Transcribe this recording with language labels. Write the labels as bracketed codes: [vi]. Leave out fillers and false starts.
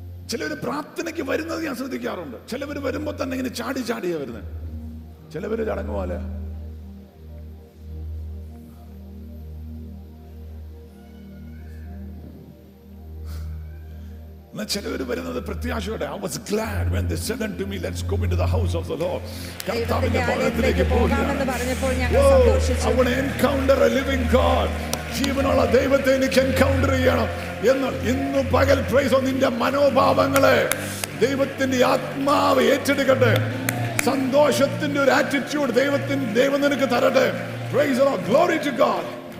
[ml] ചിലവർ പ്രാർത്ഥനയ്ക്ക് വരുന്നത് ഞാൻ ശ്രദ്ധിക്കാറുണ്ട്. ചിലവർ വരുമ്പോ തന്നെ ഇങ്ങനെ ചാടി ചാടിയാ വരുന്നത്. ചിലവര് ചടങ്ങുപോലെ ചിലവര് വരുന്നത് പ്രത്യാശയോടെ. [en] I was glad when they said unto me, let's go into the house of the Lord. [ml] കർത്താവിന്റെ ആലയത്തിലേക്ക് പോകാം എന്ന് പറഞ്ഞപ്പോൾ ഞാൻ സന്തോഷിച്ചു. [en] I want to encounter a living God. [ml] ജീവനുള്ള ദൈവത്തെ എനിക്ക് എൻകൗണ്ടർ ചെയ്യണം എന്ന് ഇന്ന് പകൽ പ്രൈസ് നിന്റെ മനോഭാവങ്ങളെ ദൈവത്തിന്റെ ആത്മാവ് ഏറ്റെടുക്കട്ടെ. സന്തോഷത്തിന്റെ ഒരു ആറ്റിറ്റ്യൂഡ് ദൈവത്തിന് ദൈവം നിനക്ക് തരട്ടെ. [en] Praise the Lord. Glory to God.